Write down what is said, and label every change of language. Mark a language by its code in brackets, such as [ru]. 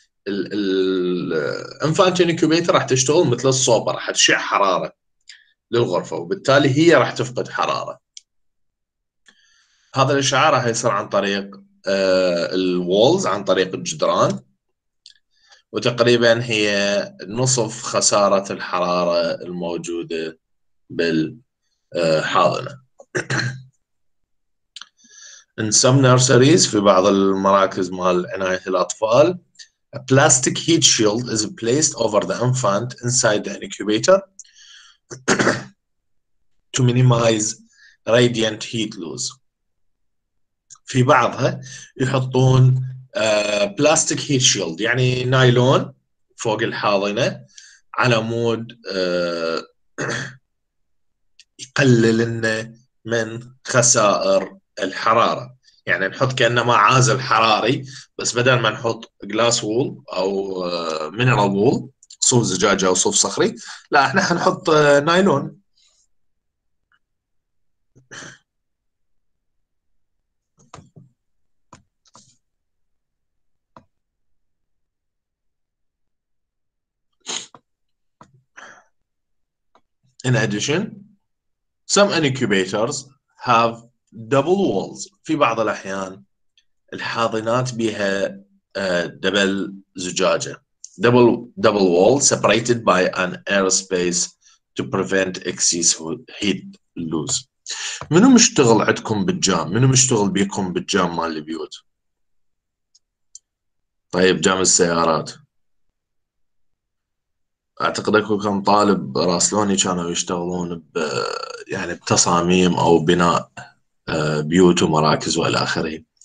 [ar] الإنفانت إنكوبيتر راح تشتغل مثل الصوبة، راح تشع حرارة للغرفة وبالتالي هي راح تفقد حرارة. هذا الإشعاع راح يصير عن طريق الوولز عن طريق الجدران، وتقريبا هي نصف خسارة الحرارة الموجودة بالحاضنة. [en] In some nurseries [ar] في بعض المراكز مال عناية الأطفال، [en] a plastic heat shield is placed over the infant inside the incubator to minimize radiant heat loss. [ar] في بعضها يحطون بلاستيك هيت شيلد، يعني نايلون فوق الحاضنة على مود يقلل من خسائر الحرارة، يعني نحط كأنما عازل حراري، بس بدل ما نحط جلاس وول أو مينرال وول، صوف زجاجة أو صوف صخري، لا احنا هنحط نايلون. [en] In addition, some incubators have double walls. [ar] في بعض الأحيان الحاضنات بها دبل زجاجة. [en] Double wall separated by an airspace to prevent excess heat loss. [ar] منو مشتغل عندكم بالجام؟ منو مشتغل بيكم بالجام مال البيوت؟ طيب جام السيارات. اعتقد اكو كم طالب راسلوني كانوا يشتغلون ب يعني بتصاميم او بناء بيوت ومراكز والى اخره.